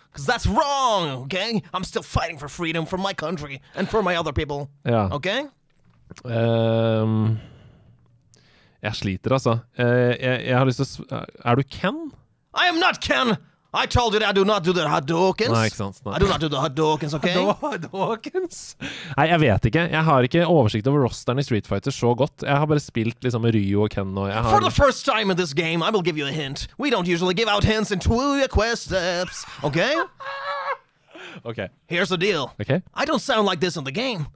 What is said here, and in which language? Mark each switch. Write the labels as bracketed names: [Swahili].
[English] Because that's wrong, okay? I'm still fighting for freedom for my country and for my other people. [Norwegian] Ja. [English] Okay? [Norwegian] Jeg sliter, altså. Jeg har lyst til å... Er du Ken? [English] I am not Ken! I told you that I do not do the Hadoukens. [Norwegian] Nei, ikke sant. Nei. [English] I do not do the Hadoukens, okay? [Norwegian] Hadoukens? Nei, jeg vet ikke. Jeg har ikke oversikt over rosteren i Street Fighter så godt. Jeg har bare spilt liksom Ryu og Ken og jeg har... [English] For the first time in this game, I will give you a hint. We don't usually give out hints in two quest steps, okay? Okay. Here's the deal. Okay. I don't sound like this in the game.